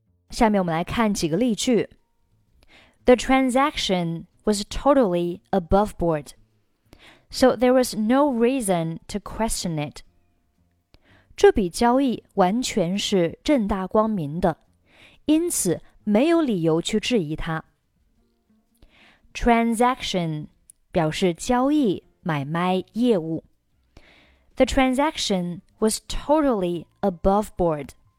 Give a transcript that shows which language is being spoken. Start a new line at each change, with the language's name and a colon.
Chinese: 下面我们来看几个例句。
English: The transaction was totally above board, so there was no reason to question it.
Chinese: 这笔交易完全是正大光明的,因此没有理由去质疑它。 Transaction 表示交易、买卖、业务。
English: The transaction was totally above board.